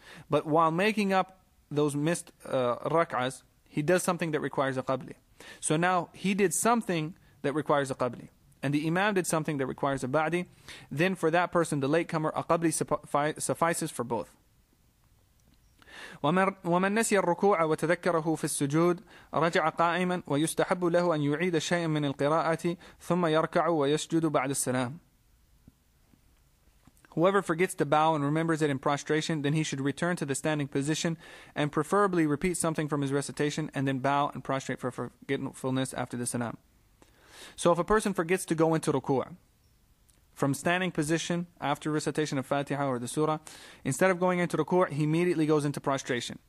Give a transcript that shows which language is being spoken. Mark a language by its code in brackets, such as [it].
[en] But while making up those missed rak'as, he does something that requires a qabli. So now he did something that requires a qabli, and the imam did something that requires a ba'di. Then for that person, the latecomer, a qabli suffices for both. [ar] ومن نسي الركوع وتذكره في السجود رجع قائما ويستحب له أن يعيد شيئا من القراءة ثم يركع ويسجد بعد السلام. [en] Whoever forgets to bow and remembers it in prostration, then he should return to the standing position and preferably repeat something from his recitation and then bow and prostrate for forgetfulness after the salam. So if a person forgets to go into ruku' from standing position after recitation of Fatiha or the surah, instead of going into ruku', he immediately goes into prostration.